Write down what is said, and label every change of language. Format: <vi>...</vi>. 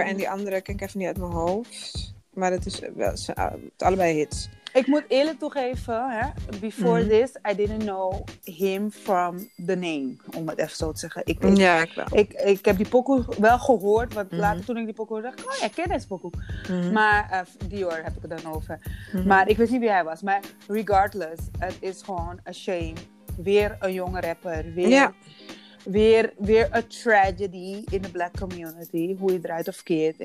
<nl>en die andere ken ik even niet uit mijn hoofd. Maar het is wel allebei hits. Ik moet eerlijk toegeven, hè?</nl> <en>Before this, I didn't know him from the name,</en> <nl>om het even zo te zeggen. Ik heb die pokoe wel gehoord, want later toen ik die pokoe hoorde, dacht ik, oh ja, ik ken deze pokoe. Mm-hmm. Maar Dior heb ik het dan over. Mm-hmm. Maar ik wist niet wie hij was. Maar regardless, het is gewoon a shame. Weer een jonge rapper, weer</nl> <en>a tragedy in the black community,</en> <nl>hoe je eruit of keert.</nl>